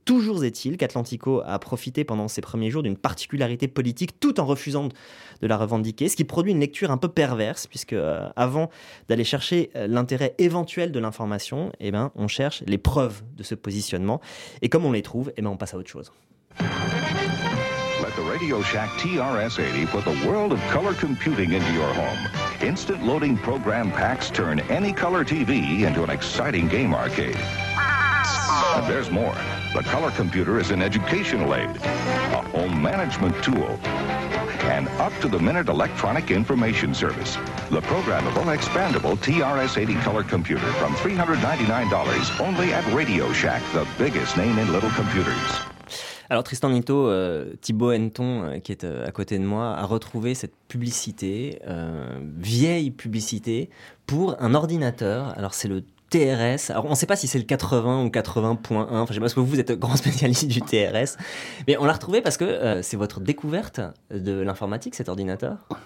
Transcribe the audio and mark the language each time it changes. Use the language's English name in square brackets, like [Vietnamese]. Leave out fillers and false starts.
[French] Toujours est-il qu'Atlantico a profité pendant ses premiers jours d'une particularité politique tout en refusant de la revendiquer, ce qui produit une lecture un peu perverse, puisque avant d'aller chercher l'intérêt éventuel de l'information, eh ben, on cherche les preuves de ce positionnement. Et comme on les trouve, eh ben, on passe à autre chose. [English] Let the Radio Shack TRS-80 put the world of color computing into your home. Instant loading program packs turn any color TV into an exciting game arcade. But there's more. The color computer is an educational aid, a home management tool, an up-to-the-minute electronic information service. The programmable, expandable TRS-80 color computer from $399 only at Radio Shack, the biggest name in little computers. [French] Alors Tristan Nito, Thibaut Henton, qui est à côté de moi, a retrouvé cette publicité, vieille publicité, pour un ordinateur. Alors c'est le TRS, alors on ne sait pas si c'est le 80 ou 80.1, enfin, je ne sais pas, parce que vous êtes grand spécialiste du TRS, mais on l'a retrouvé parce que c'est votre découverte de l'informatique, cet ordinateur.